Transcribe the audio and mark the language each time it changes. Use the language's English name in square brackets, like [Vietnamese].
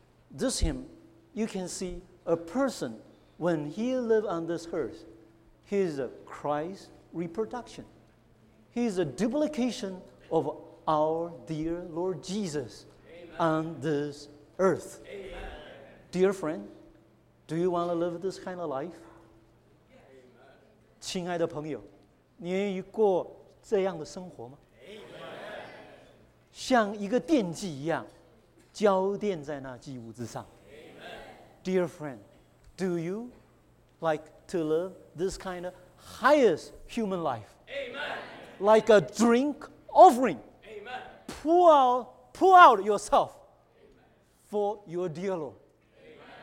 [English] This hymn, you can see a person, when he lives on this earth, he is a Christ reproduction. He is a duplication of our dear Lord Jesus. Amen. On this earth. Amen. Dear friend, do you want to live this kind of life? Amen. [Chinese] 亲爱的朋友，你愿意过这样的生活吗？ [English] Amen. [Chinese] 像一个奠基一样，浇奠在那基物之上。 [English] Amen. Dear friend, do you like to live this kind of highest human life? Amen. Like a drink offering. Amen. Pour out yourself. Amen. For your dear Lord. Amen.